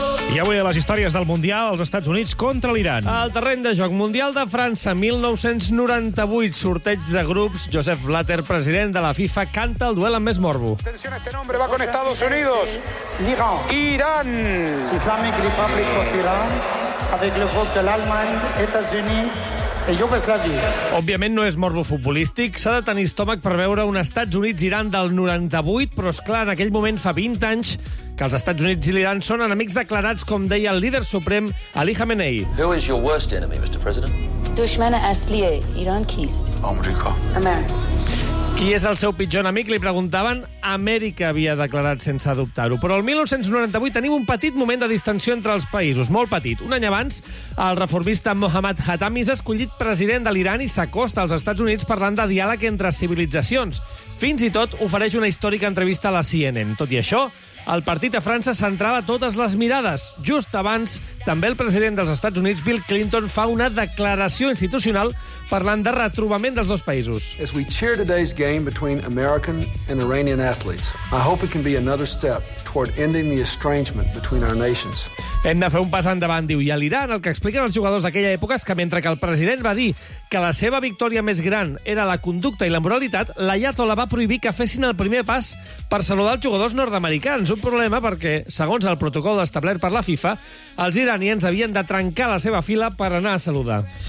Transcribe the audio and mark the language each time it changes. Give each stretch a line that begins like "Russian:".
Catalan: I avui a les històries del Mundial, els Estats Units contra l'Iran. Al terreny de joc, Mundial de França, 1998, sorteig de grups. Josep Blatter, president de la FIFA, canta el duel amb més morbo.
Spanish: Atención, este nombre va con Estados Unidos.
French: Iran. Iran.
English: Islamic Republic of Iran,
French: avec le vote de l'Allemagne, États-Unis...
Catalan: Òbviament no és morbo futbolístic, s'ha de tenir estómac per veure un Estats Units-Iran del 98, però és clar, en aquell moment fa 20 anys que els Estats Units i l'Iran són enemics declarats, com deia el líder suprem Ali Khamenei.
English: Who is your worst enemy, Mr. President?
Persian: Dushman asliye, Iran kist.
English: America.
Catalan: Qui és el seu pitjor enemic? Li preguntaven. Amèrica havia declarat sense dubtar-ho. Però el 1998 tenim un petit moment de distensió entre els països, molt petit. Un any abans, el reformista Mohammad Khatami s'ha escollit president de l'Iran i s'acosta als Estats Units parlant de diàleg entre civilitzacions. Fins i tot ofereix una històrica entrevista a la CNN. Tot i això, el partit a França centrava totes les mirades. Just abans, també el president dels Estats Units, Bill Clinton, fa una declaració institucional parlant de retrobament dels dos països.
English: As we cheer today's game between American and Iranian athletes, I hope it can be another step toward ending the estrangement between our nations.
Catalan: Hem de fer un pas endavant, diu. I a l'Iran, el que expliquen els jugadors d'aquella època és que mentre que el president va dir que la seva victòria més gran era la conducta i la moralitat, l'Ayatollah va prohibir que fessin el primer pas per saludar els jugadors nord-americans. Un problema perquè, segons el protocol establert per la FIFA, els iranians havien de trencar la seva fila per anar a saludar.